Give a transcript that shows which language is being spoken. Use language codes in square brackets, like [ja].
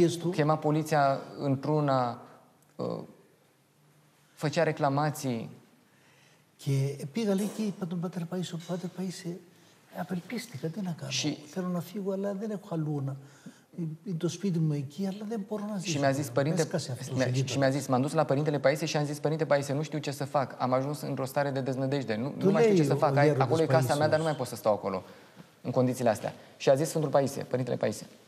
[ro] Chema poliția într-una, făcea reclamații. [el] Και πήγα λέει και είπα τον πατέρα Παΐσιο, πατέρα Παΐσιο, απελπίστηκα, τι να κάνω, θέλω να φύγω, αλλά δεν έχω αλλού να, είναι το σπίτι μου εκεί, αλλά δεν μπορώ να ζήσω. [ro] Și mi-a zis, m-am dus la părintele Paisie și am zis, părinte Paisie, nu știu ce să fac, am ajuns într-o stare de deznădejde, nu mai știu ce să fac, acolo e casa mea, dar nu mai pot să stau acolo. În condițiile astea. Și a zis Sfântul Paisie, părintele Paisie.